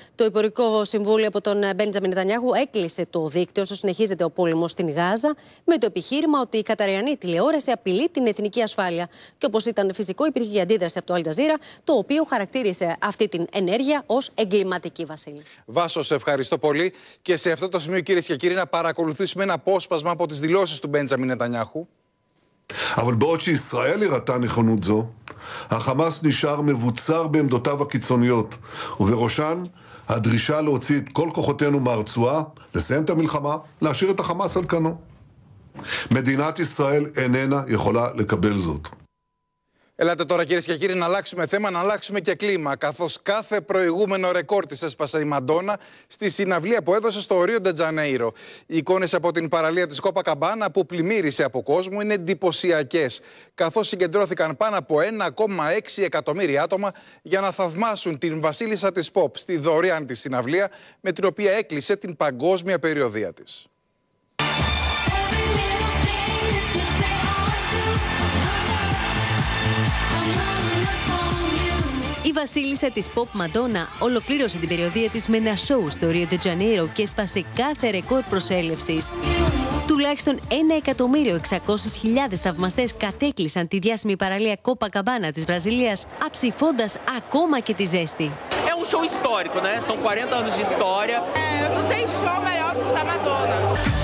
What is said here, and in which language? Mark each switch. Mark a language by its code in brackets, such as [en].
[el] Το Υπουργικό Συμβούλιο από τον Μπέντζαμιν Νετανιάχου έκλεισε το δίκτυο όσο συνεχίζεται ο πόλεμος στην Γάζα, με το επιχείρημα ότι η Καταριανή τηλεόραση απειλεί την εθνική ασφάλεια. Και όπως ήταν φυσικό, υπήρχε και αντίδραση από το Al Jazeera, το οποίο χαρακτήρισε αυτή την ενέργεια ως εγκληματική, Βασίλη. Βάσο, σε ευχαριστώ πολύ. Και σε αυτό το σημείο, κυρίες και κύριοι, να παρακολουθήσουμε ένα απόσπασμα από τις δηλώσεις του Μπέντζαμιν Νετανιάχου. [he] אבל בעוד שישראל הראתה נכונות זו, החמאס נשאר מבוצר בעמדותיו הקיצוניות, ובראשן הדרישה להוציא את כל כוחותינו מהרצועה, לסיים את המלחמה, להשאיר את החמאס על כנו. מדינת ישראל איננה יכולה לקבל זאת. [el] Έλατε τώρα, κυρίες και κύριοι, να αλλάξουμε θέμα, να αλλάξουμε και κλίμα. Καθώς κάθε προηγούμενο ρεκόρ της έσπασε η Μαντόνα στη συναυλία που έδωσε στο Ρίο Ντετζανέιρο. Οι εικόνες από την παραλία της Κόπα Καμπάνα που πλημμύρισε από κόσμο είναι εντυπωσιακές, καθώς συγκεντρώθηκαν πάνω από 1,6 εκατομμύρια άτομα για να θαυμάσουν την Βασίλισσα της Pop στη δωρεάν της συναυλία, με την οποία έκλεισε την παγκόσμια περιοδία της. Η βασίλισσα της Pop Madonna ολοκλήρωσε την περιοδία της με ένα show στο Rio de Janeiro και έσπασε κάθε ρεκόρ προσέλευσης. Τουλάχιστον 1.600.000 θαυμαστές κατέκλυσαν τη διάσημη παραλία Copa Cabana της Βραζιλίας, αψηφώντας ακόμα και τη ζέστη. [pt] É um show histórico, né? São 40 anos de história. Não tem show melhor do que da Madonna.